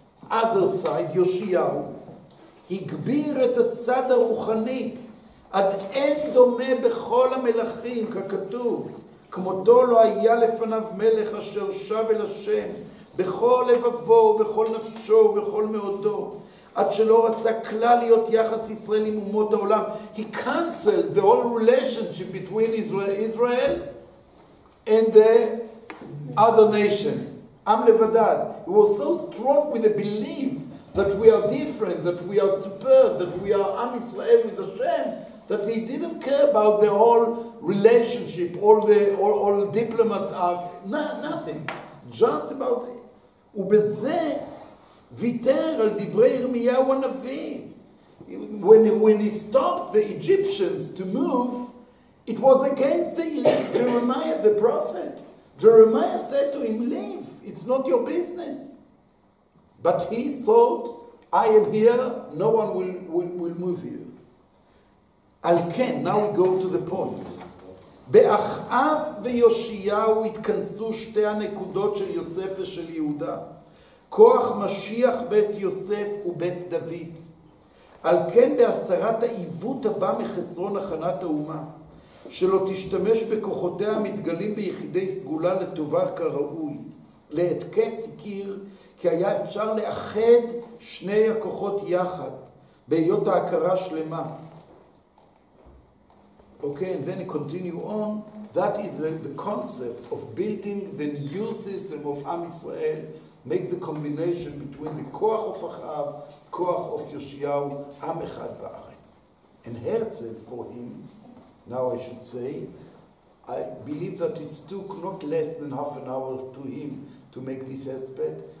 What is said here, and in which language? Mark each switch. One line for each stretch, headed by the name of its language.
English: Other side,
Hebrew: Yoshiyahu, הגביר את הצד הרוחני, עד אין דומה בכל המלכים, ככתוב, כמותו לא היה לפניו מלך אשר שב אל השם, בכל לבבו ובכל נפשו ובכל מאודו, עד שלא רצה כלל להיות יחס ישראל עם אומות העולם.
English: He canceled the whole relationship between Israel and the other nations.
Hebrew: עם לבדד.
English: He was so strong with the belief that we are different, that we are superb, that we are Am Yisrael with Hashem, that he didn't care about the whole relationship, all diplomats are, nothing, just about it.
Hebrew: ובזה ויתר על דברי ירמיהו הנביא.
English: When he stopped the Egyptians to move, it was against the Jeremiah, the prophet. Jeremiah said to him, leave, it's not your business. But he thought, I am here, no one will move here.
Hebrew: Al ken,
English: now we go to the point.
Hebrew: באחאב ויושיהו התכנסו שתי הנקודות של יוסף ושל יהודה. כוח משיח בית יוסף ובית דוד. על כן בהסרת העיוות הבא מחסרון הכנת האומה, שלא תשתמש בכוחותיה המתגלים ביחידי סגולה לטובה כראוי. לעת קץ הכיר כי היה אפשר לאחד שני הכוחות יחד, בהיות ההכרה שלמה.
English: Okay, and then continue on. That is the concept of building the new system of Am Israel, make the combination between the כוח of Achav, כוח of Yoshiyahu,
Hebrew: עם אחד בארץ.
English: And Herzl for him, now I should say, I believe that it took not less than half an hour to him to make this aspect.